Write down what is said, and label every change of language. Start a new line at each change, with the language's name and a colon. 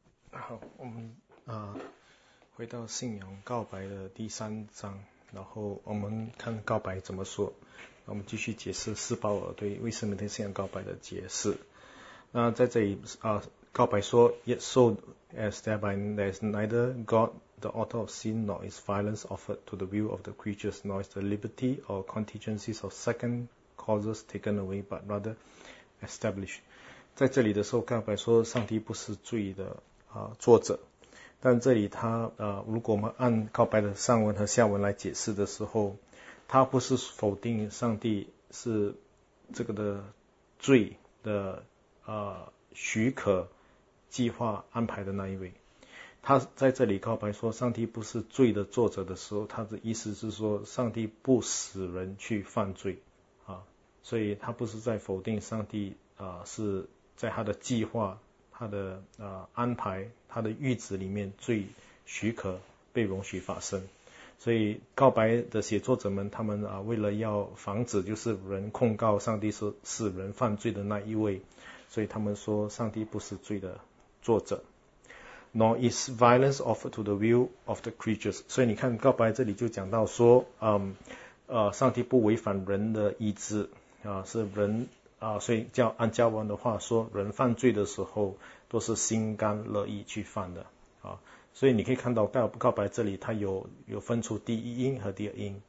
Chinese: 好，我们回到信仰告白的第三章，然后我们看告白怎么说。我们继续解释斯鲍尔对未生命的信仰告白的解释。那在这里告白说：“
English: Yet so as thereby there is neither God, the author of sin, nor is violence offered to the will of the creatures, nor is the liberty or contingencies of second causes taken away, but rather established。”
Chinese: 在这里的时候，告白说上帝不是罪的。作者，但这里他如果我们按告白的上文和下文来解释的时候，他不是否定上帝是这个的罪的许可计划安排的那一位。他在这里告白说上帝不是罪的作者的时候，他的意思是说上帝不使人去犯罪啊，所以他不是在否定上帝是在他的计划。他的安排，他的谕旨里面最许可被容许发生，所以告白的写作者们，他们为了要防止就是人控告上帝是使人犯罪的那一位，所以他们说上帝不是罪的作者。
English: Nor is violence offered to the will of the creatures。
Chinese: 所以你看告白这里就讲到说，上帝不违反人的意志是人。所以叫按教文的话说，人犯罪的时候都是心甘乐意去犯的啊。所以你可以看到告白这里，它有分出第一因和第二因。